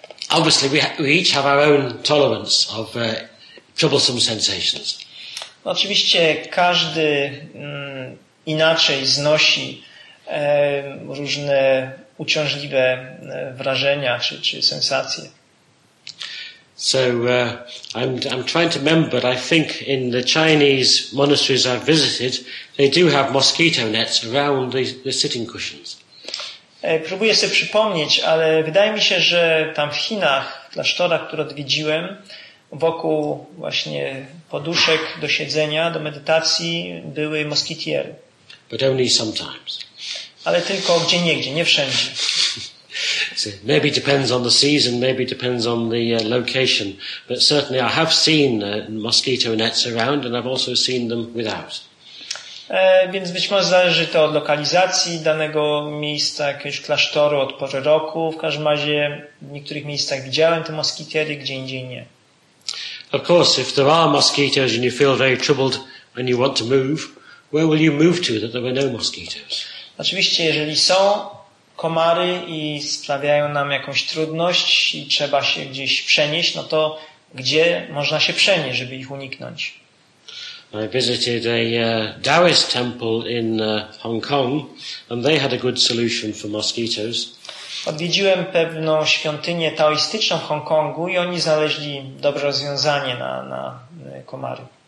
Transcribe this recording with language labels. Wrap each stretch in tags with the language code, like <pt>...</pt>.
<en>Obviously, we each have our own tolerance of troublesome sensations.</en> <pl>Oczywiście każdy inaczej znosi różne uciążliwe wrażenia czy sensacje.</pl> <en>So I'm trying to remember, but I think in the Chinese monasteries I've visited, they do have mosquito nets around the sitting cushions.</en> <pl>Próbuję sobie przypomnieć, ale wydaje mi się, że tam w Chinach, w klasztorach, które odwiedziłem, wokół właśnie poduszek do siedzenia, do medytacji, były moskitiery.</pl> <en>But only sometimes.</en> <pl>Ale tylko gdzieniegdzie, nie wszędzie.</pl> <en>So maybe it depends on the season, maybe it depends on the location, but certainly I have seen mosquito nets around and I've also seen them without.</en> <pl>Więc być może zależy to od lokalizacji danego miejsca, jakiegoś klasztoru, od pory roku. W każdym razie w niektórych miejscach widziałem te moskitiery, gdzie indziej nie.</pl> <en>Of course, if there are mosquitoes and you feel very troubled and you want to move, where will you move to that there were no mosquitoes?</en> <pl>Oczywiście, jeżeli są komary i sprawiają nam jakąś trudność i trzeba się gdzieś przenieść, no to gdzie można się przenieść, żeby ich uniknąć?</pl> <en>I visited a Taoist temple in Hong Kong and they had a good solution for mosquitoes.</en> <pl>Odwiedziłem pewną świątynię taoistyczną w Hongkongu i oni znaleźli dobre rozwiązanie na komary.</pl>